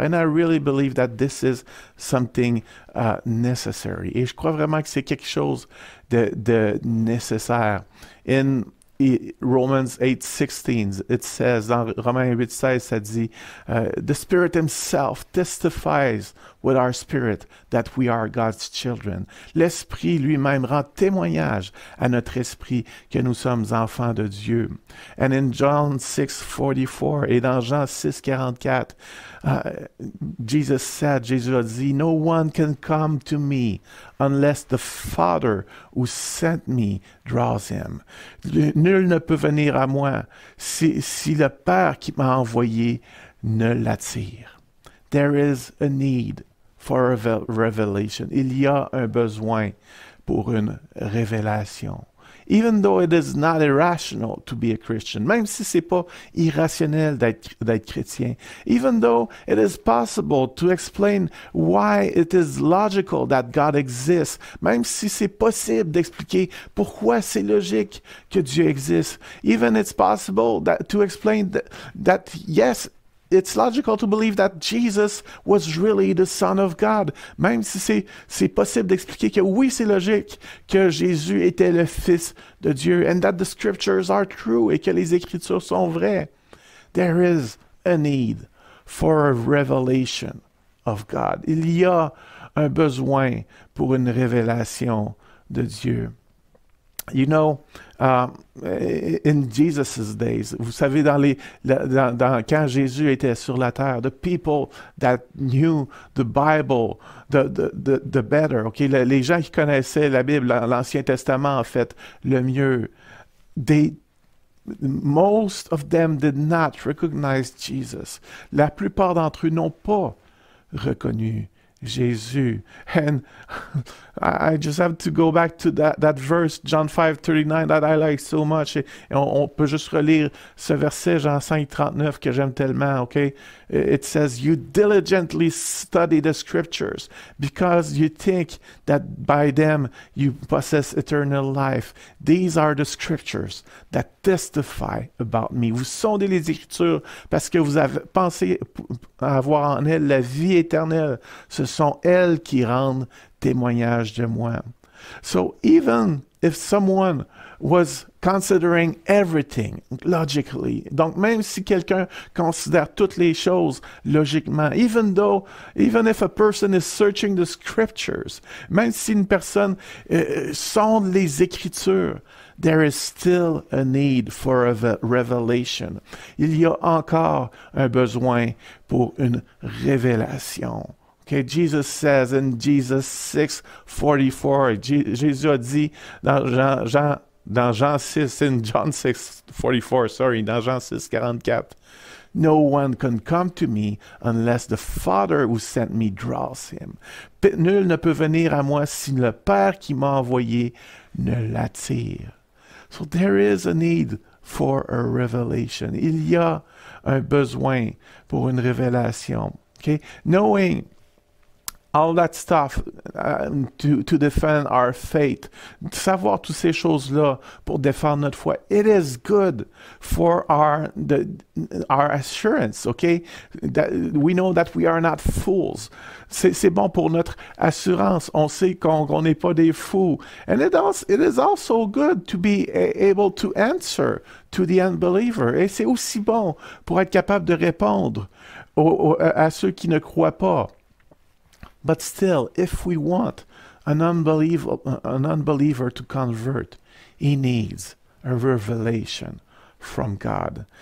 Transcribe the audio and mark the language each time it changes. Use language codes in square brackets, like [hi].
[en] And I really believe that this is something necessary. [fr] Et je crois vraiment que c'est quelque chose de nécessaire. [en] In Romans 8:16, it says, [fr] dans Romains 8:16, ça dit, [en] the Spirit himself testifies with our spirit that we are God's children. [fr] L'Esprit lui-même rend témoignage à notre esprit que nous sommes enfants de Dieu. [en] And in John 6:44 [fr] et dans Jean 6:44, [en] Jesus said, [fr] Jésus a dit, [en] no one can come to me unless the Father who sent me draws him. [fr] Nul ne peut venir à moi si le Père qui m'a envoyé ne l'attire. [en] There is a need for a revelation. [fr] Il y a un besoin pour une révélation. [en] Even though it is not irrational to be a Christian, [fr] même si c'est pas irrationnel d'être chrétien, [en] even though it is possible to explain why it is logical that God exists, [fr] même si c'est possible d'expliquer pourquoi c'est logique que Dieu existe, [en] even it's possible to explain that yes, it's logical to believe that Jesus was really the Son of God. [fr] Même si c'est possible d'expliquer que oui, c'est logique que Jésus était le Fils de Dieu, [en] and that the scriptures are true [fr] et que les écritures sont vraies. [en] There is a need for a revelation of God. [fr] Il y a un besoin pour une révélation de Dieu. [en] You know, in Jesus' days, [fr] vous savez, quand Jésus était sur la terre, [en] the people that knew the Bible the better, okay, [fr] les gens qui connaissaient la Bible, l'Ancien Testament, en fait, le mieux, [en] most of them did not recognize Jesus. [fr] La plupart d'entre eux n'ont pas reconnu Jésus. [en] And I just have to go back to that verse, John 5:39, that I like so much. [fr] Et on peut juste relire ce verset, Jean 5:39, que j'aime tellement, okay? [en] It says, you diligently study the scriptures because you think that by them you possess eternal life. These are the scriptures that testify about me. [fr] Vous sondez les écritures parce que vous avez pensé avoir en elles la vie éternelle. Ce sont elles qui rendent témoignage de moi. [en] So even if someone was considering everything logically. [fr] Donc même si quelqu'un considère toutes les choses logiquement, [en] even if a person is searching the scriptures, [fr] même si une personne sonde les écritures, [en] there is still a need for a revelation. [fr] Il y a encore un besoin pour une révélation. [en] Okay, Jesus says in Jesus 6:44, [fr] Jésus a dit dans Jean 6:44, [en] no one can come to me unless the Father who sent me draws him. [fr] Nul ne peut venir à moi si le Père qui m'a envoyé ne l'attire. [en] So there is a need for a revelation. [fr] Il y a un besoin pour une révélation. [en] Okay, knowing all that stuff to defend our faith. [fr] Savoir toutes ces choses-là pour défendre notre foi. [en] It is good for our assurance, okay? That we know that we are not fools. [fr] C'est bon pour notre assurance. On sait qu'on n'est pas des fous. [en] And it is also good to be able to answer to the unbeliever. [fr] Et c'est aussi bon pour être capable de répondre à ceux qui ne croient pas. [en] But still, if we want an unbeliever to convert, he needs a revelation from God.